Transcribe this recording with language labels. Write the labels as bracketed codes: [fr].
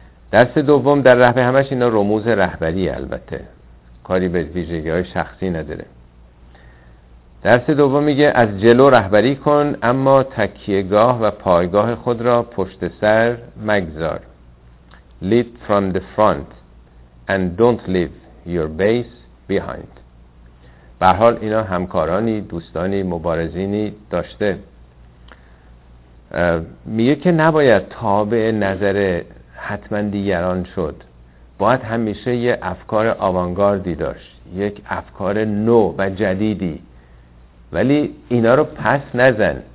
[fa] درس دوم، در رهبری همش اینا رموز رهبری، البته کاری به ویژگی های شخصی نداره. درس دوم میگه از جلو رهبری کن، اما تکیهگاه و پایگاه خود را پشت سر مگذار. [en] Lead from the front and don't leave your base behind. [fa] به هر حال اینا همکارانی، دوستانی، مبارزینی داشته. میگه که نباید تابع نظر حتما دیگران شد، باید همیشه یه افکار آوانگاردی داشت، یک افکار نو و جدیدی، ولی اینا رو پس نزن.